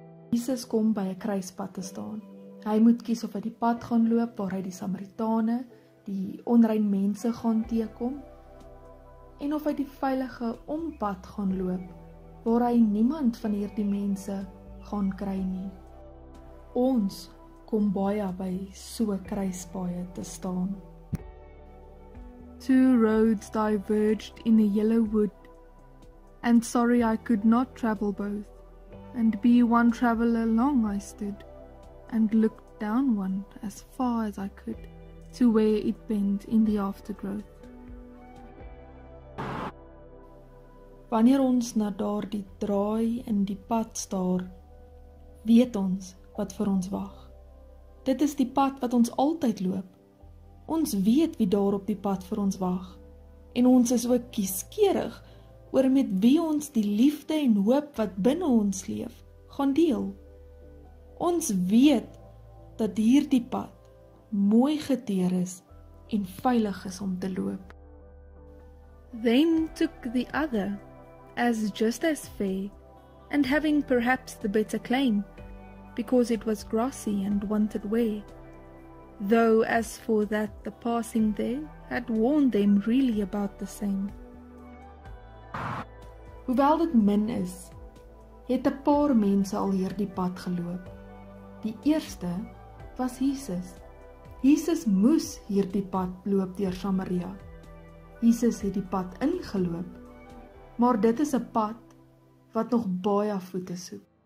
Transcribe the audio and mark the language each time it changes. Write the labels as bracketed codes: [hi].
[af] Jesus kom by 'n kruispad te staan. Hy moet kies of hy die pad gaan loop waar hy die Samaritane, die onrein mense gaan teekom, en of hy die veilige ompad gaan loop waar hy niemand van hierdie mense gaan kry nie. Ons kom baie by so kruispaaie te staan. [en] Two roads diverged in a yellow wood, and sorry I could not travel both, and be one traveller long I stood, and looked down one as far as I could, to where it bent in the aftergrowth. [af] Wanneer ons na daardie draai in die pad staar, weet ons wat vir ons wag. Dit is die pad wat ons altyd loop. Ons weet wie daar op die pad vir ons wag, en ons is ook kieskeurig oor met wie ons die liefde en hoop wat binne ons leef gaan deel. Ons weet dat hierdie pad mooi geteer is en veilig is om te loop. [en] Then took the other, as just as fair, and having perhaps the better claim, because it was grassy and wanted wear. Though as for that the passing there had warned them really about the same. [af] Hoewel dit min is, het 'n paar mense al hierdie pad geloop. Die eerste was Jesus. Jesus moes hierdie pad loop deur Samaria. Jesus het die pad ingeloop, maar dit is 'n pad wat nog baie voete soek.